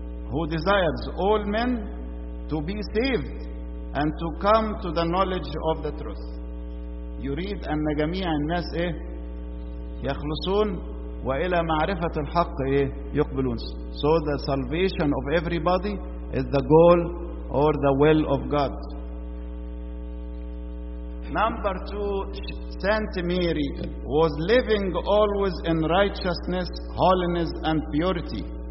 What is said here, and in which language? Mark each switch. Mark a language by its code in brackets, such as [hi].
[en] Who desires all men to be saved and to come to the knowledge of the truth. [ar] You read أن جميع الناس إيه؟ يخلصون وإلى معرفة الحق إيه؟ يقبلون. [en] So the salvation of everybody is the goal or the will of God. Number two, Saint Mary was living always in righteousness, holiness, and purity.